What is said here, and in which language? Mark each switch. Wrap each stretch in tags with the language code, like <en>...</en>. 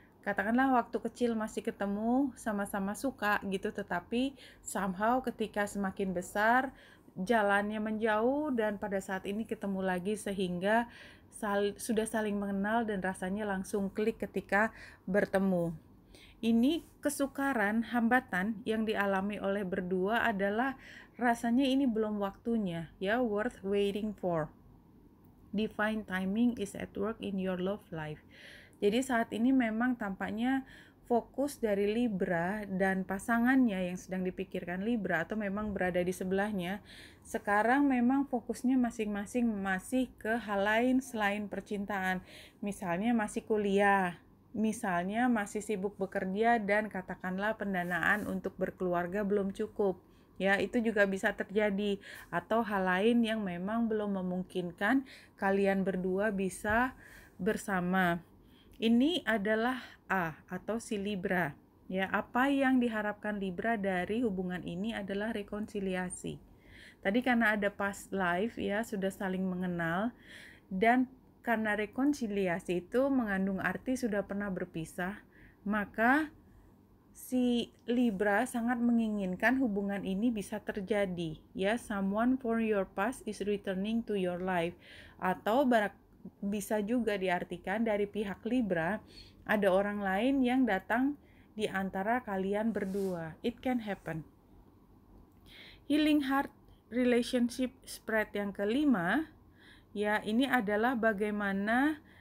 <id>Katakanlah waktu kecil masih ketemu, sama-sama suka gitu, tetapi somehow ketika semakin besar jalannya menjauh dan pada saat ini ketemu lagi sehingga sudah saling mengenal dan rasanya langsung klik ketika bertemu. Ini kesukaran, hambatan yang dialami oleh berdua adalah rasanya ini belum waktunya, ya,</id> <en>worth waiting for. Divine timing is at work in your love life.</en> <id>Jadi saat ini memang tampaknya fokus dari Libra dan pasangannya yang sedang dipikirkan Libra atau memang berada di sebelahnya, sekarang memang fokusnya masing-masing masih ke hal lain selain percintaan. Misalnya masih kuliah, misalnya masih sibuk bekerja dan katakanlah pendanaan untuk berkeluarga belum cukup. Ya, itu juga bisa terjadi. Atau hal lain yang memang belum memungkinkan kalian berdua bisa bersama. Ini adalah A atau si Libra. Ya, apa yang diharapkan Libra dari hubungan ini adalah rekonsiliasi. Tadi karena ada past life, ya, sudah saling mengenal. Dan karena rekonsiliasi itu mengandung arti sudah pernah berpisah, maka si Libra sangat menginginkan hubungan ini bisa terjadi.</id> <en>Ya, someone for your past is returning to your life.</en> <id>Atau bisa juga diartikan dari pihak Libra, ada orang lain yang datang di antara kalian berdua.</id> <en>It can happen.</en> <id>Healing Heart Relationship Spread yang kelima, ya, ini adalah bagaimana</id>